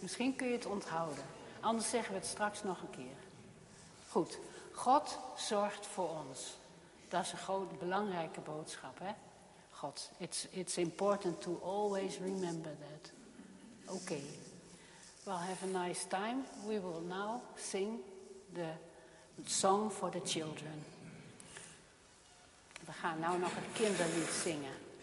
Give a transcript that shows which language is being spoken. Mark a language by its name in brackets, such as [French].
[Dutch] Misschien kun je het onthouden. Anders zeggen we het straks nog een keer. Goed. God zorgt voor ons. Dat is een grote belangrijke boodschap, hè? [English] God, it's important to always remember that. Okay. Well, have a nice time. We will now sing the song for the children. [Dutch] We gaan nou nog het kinderlied zingen.